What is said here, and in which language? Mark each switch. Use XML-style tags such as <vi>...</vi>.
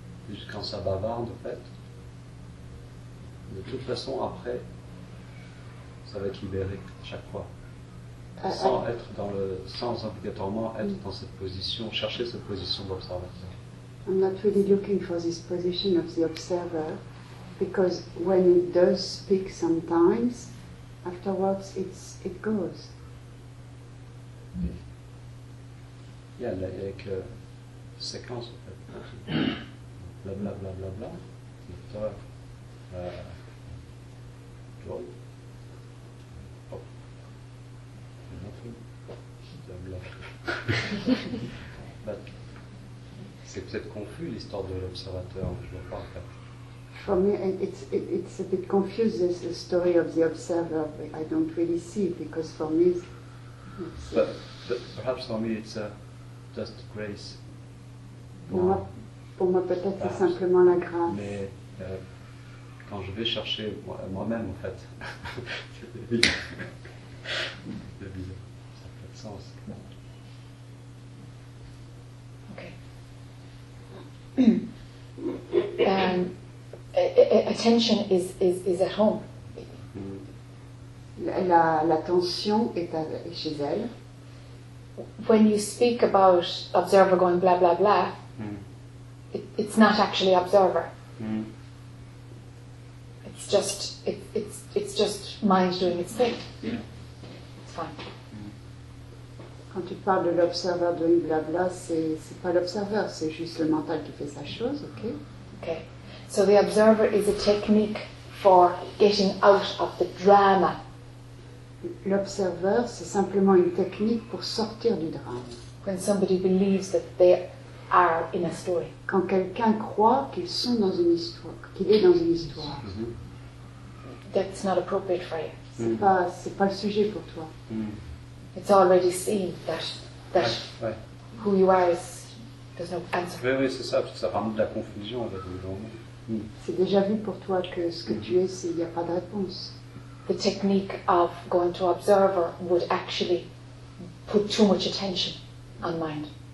<fr>Juste quand ça bavarde en fait. De toute façon, après, ça va être libéré à chaque fois. Sans être dans le. Sans obligatoirement être dans cette position, chercher cette position d'observateur.</fr> <en>I'm not really looking for this position of the observer, because when it does speak sometimes, afterwards it goes. Mm. Yeah, like a sequence of it. Blah blah blah blah blah. Doctor, joy. Oh. Nothing. Blah blah. But.</en> <fr>C'est peut-être confus l'histoire de l'observateur, je ne vois pas en fait.</fr> <en>For me, it's a bit confused, the story of the observer, but I don't really see, because for me. But perhaps for me, it's just grace.</en> <fr>Pour moi, peut-être perhaps. C'est simplement la grâce. Mais quand je vais chercher moi-même, en fait. C'est bizarre. Ça n'a pas de sens.</fr> <en>attention is at home.</en> <fr>L'attention est chez elle.</fr> <en>When you speak about observer going blah blah blah, it's not actually observer. It's just mind doing its thing. It's fine.</en> <fr>Quand tu parles de l'observeur doing blabla, c'est pas l'observeur, c'est juste le mental qui fait sa chose, ok?</fr> <en>Ok. So the observer is a technique for getting out of the drama.</en> <fr>L'observeur, c'est simplement une technique pour sortir du drame.</fr> <en>When somebody believes that they are in a story.</en> <fr>Quand quelqu'un croit qu'ils sont dans une histoire, qu'il est dans une histoire.</fr> <en>Mm-hmm. That's not appropriate for you.</en> <fr>C'est pas le sujet pour toi. Mm-hmm.</fr> <en>It's already seen that right. Who you are is there's no answer.</en> <fr>Oui, c'est ça, parce que ça ramène de la confusion avec le genre. C'est déjà vu pour toi que ce que tu es, il n'y a pas de réponse.</fr> <en>The technique of going to observer would actually put too much attention on mind.</en>